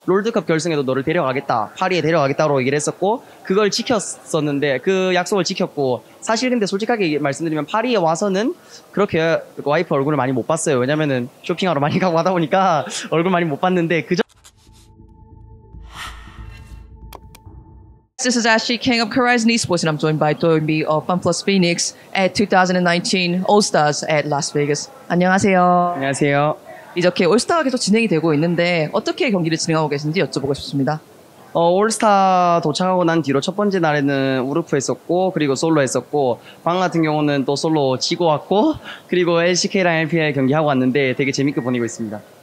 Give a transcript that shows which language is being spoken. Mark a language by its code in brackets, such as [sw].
[ko] 롤드컵 결승에도 너를 데려가겠다, 파리에 데려가겠다로 얘기를 했었고 그걸 지켰었는데 그 약속을 지켰고 사실 근데 솔직하게 말씀드리면 파리에 와서는 그렇게 와이프 얼굴을 많이 못 봤어요. 왜냐면은 쇼핑하러 많이 가고 하다 보니까 얼굴 많이 못 봤는데 그 전... [en] This is Ashley Kang of Horizon Esports and I'm joined by Doinb of FunPlus Phoenix at 2019 All-Stars at Las Vegas. [ko] 안녕하세요. 안녕하세요. 이렇게 올스타가 계속 진행이 되고 있는데 어떻게 경기를 진행하고 계신지 여쭤보고 싶습니다. 올스타 도착하고 난 뒤로 첫 번째 날에는 우르프 했었고 그리고 솔로 했었고 방 같은 경우는 또 솔로 치고 왔고 그리고 LCK랑 LPL 경기하고 왔는데 되게 재밌게 보내고 있습니다.